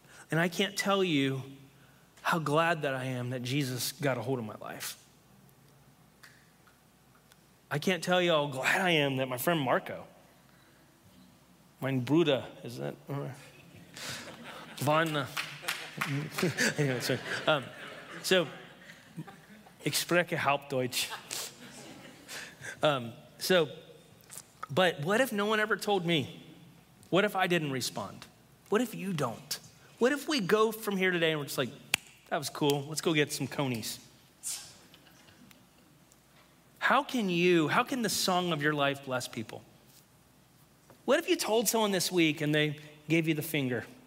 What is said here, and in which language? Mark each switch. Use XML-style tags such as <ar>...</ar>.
<en>And I can't tell you how glad that I am that Jesus got a hold of my life. I can't tell you how glad I am that my friend Marco,</en> <de>mein Bruder,</de> <en>is that all right?</en> <de>So, ich spreche Hauptdeutsch.</de> <en>But what if no one ever told me? What if I didn't respond? What if you don't? What if we go from here today and we're just like, that was cool, let's go get some conies? How can the song of your life bless people? What if you told someone this week and they gave you the finger?</en>